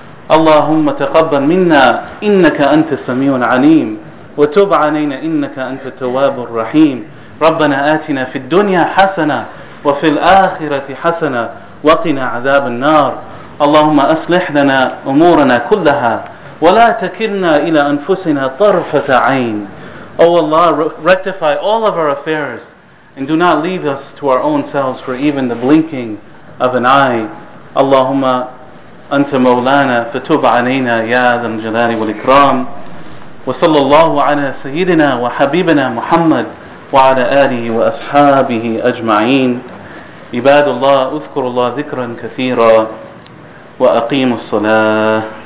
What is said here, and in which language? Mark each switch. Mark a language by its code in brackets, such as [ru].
[ar] اللهم تقبل منا إنك أنت السميع العليم، وتب علينا إنك أنت التواب الرحيم. ربنا آتنا في الدنيا حسنة وفي الآخرة حسنة وقنا عذاب النار. اللهم أصلح لنا أمورنا كلها ولا تكلنا إلى أنفسنا طرفة عين. [en] Oh Allah, rectify all of our affairs and do not leave us to our own selves for even the blinking of an eye. [ar] اللهم أنت مولانا فتب علينا يا ذا الجلال والإكرام. وصلى الله على سيدنا وحبيبنا محمد وعلى آله وأصحابه أجمعين. عباد الله، أذكر الله ذكرا كثيرا وأقيم الصلاة.